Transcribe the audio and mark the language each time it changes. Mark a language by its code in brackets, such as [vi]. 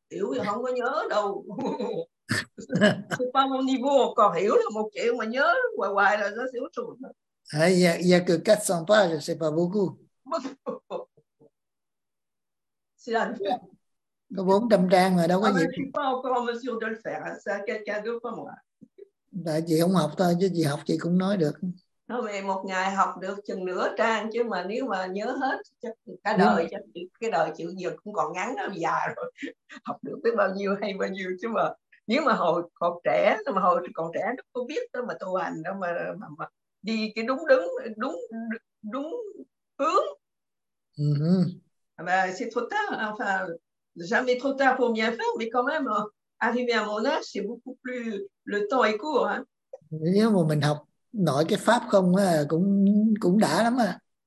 [vi] Hiểu thì không có nhớ đâu. [fr] Pas mon niveau encore. [vi] Hiểu là một chuyện mà nhớ hoài hoài là nó sẽ hút trùn. [fr] Il y a que 400 pages, c'est pas beaucoup. C'est la vie. [vi] Có 400 trang mà đâu có gì. [fr] Je suis pas encore en mesure de le faire. C'est quelqu'un d'autre, pas moi. [vi] Tại chị không học thôi, chứ chị học chị cũng nói được. Thôi mà một ngày học được chừng nửa trang, chứ mà nếu mà nhớ hết chắc cả đời, chắc cái đời chịu giờ cũng còn ngắn lắm, già rồi. Học được tới bao nhiêu hay bao nhiêu, chứ mà nếu mà hồi còn trẻ, mà hồi còn trẻ nó có biết đó mà tu hành đó mà đi cái đúng đứng đúng đúng hướng. [fr] Mà c'est trop tard, enfin jamais trop tard pour bien faire, mais quand même arriver à mon âge c'est beaucoup plus, le temps est court hein. [vi] Nếu mà mình học nội cái pháp không á, cũng đã lắm à.